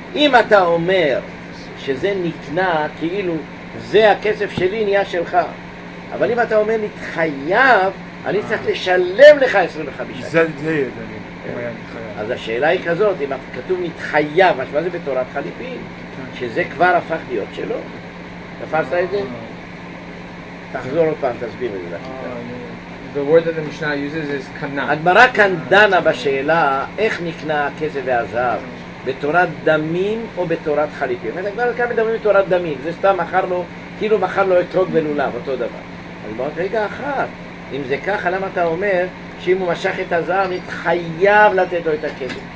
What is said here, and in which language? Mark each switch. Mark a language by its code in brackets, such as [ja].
[en] If you say that it's Nikneh, like this [he] kesef sheli niya shelcha. [en] But if you say that it's Khayyav, I need to pay you 25. That's it, Daniel. [he] אז השאלה היא כזאת, אם כתוב מתחייב, מה זה בתורת חליפין? שזה כבר הפך להיות שלו. תפסת את זה? תחזור עוד פעם, תסביר את זה. [en] The word that the Mishnah uses is קנה. [he] הגמרא כאן דנה בשאלה, איך נקנה הכסף והזהב? בתורת דמים או בתורת חליפין? זאת אומרת, כאן מדברים בתורת דמים, זה סתם מכר לו, כאילו מכר לו אתרוג ולולב, אותו דבר. אז בואו רגע אחת, אם זה ככה, למה אתה אומר, שאם הוא משך את הזהב, נתחייב לתת לו את הכסף.